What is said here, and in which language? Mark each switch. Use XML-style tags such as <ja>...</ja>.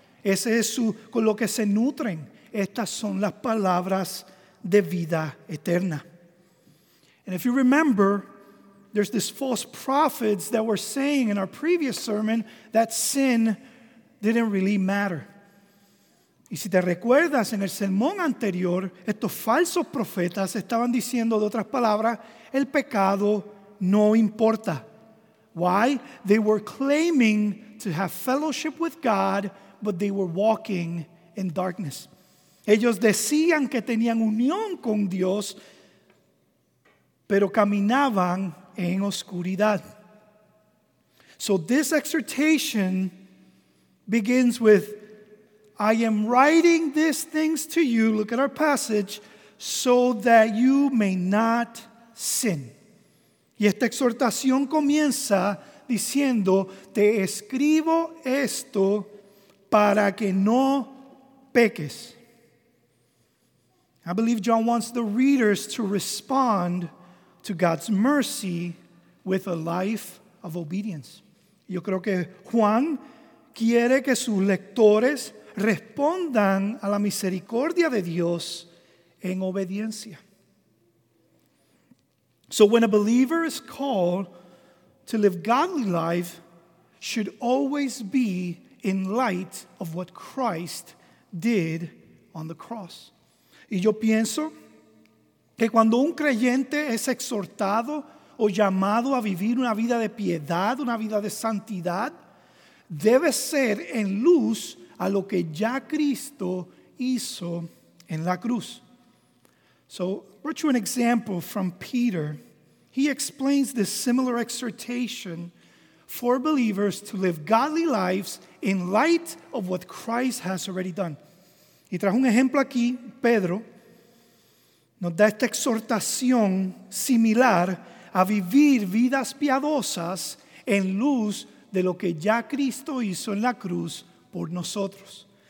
<es>Ese es su, con lo que se nutren. Estas son las palabras de vida eterna.</es> <en>And if you remember, there's this false prophets that were saying in our previous sermon that sin didn't really matter.</en> <es>Y si te recuerdas, en el sermón anterior, estos falsos profetas estaban diciendo, de otras palabras, el pecado no importa.</es> <en>Why? They were claiming to have fellowship with God, but they were walking in darkness.</en> <es>Ellos decían que tenían unión con Dios, pero caminaban en oscuridad.</es> <en>So this exhortation begins with, I am writing these things to you, look at our passage, so that you may not sin.</en> <es>Y esta exhortación comienza diciendo, te escribo esto para que no peques.</es> <en>I believe John wants the readers to respond to God's mercy with a life of obedience.</en> <es>Yo creo que Juan quiere que sus lectores respondan a la misericordia de Dios en obediencia.</es> <en>So when a believer is called to live godly life, should always be in light of what Christ did on the cross.</en> <es>Y yo pienso que cuando un creyente es exhortado o llamado a vivir una vida de piedad, una vida de santidad, debe ser en luz a lo que ya Cristo hizo en la cruz.</es> <en>So, brought you an example from Peter. He explains this similar exhortation for believers to live godly lives in light of what Christ has already done.</en> <es>Y trajo un ejemplo aquí, Pedro, nos da esta exhortación similar a vivir vidas piadosas en luz de lo que ya Cristo hizo en la cruz por nosotros.</es>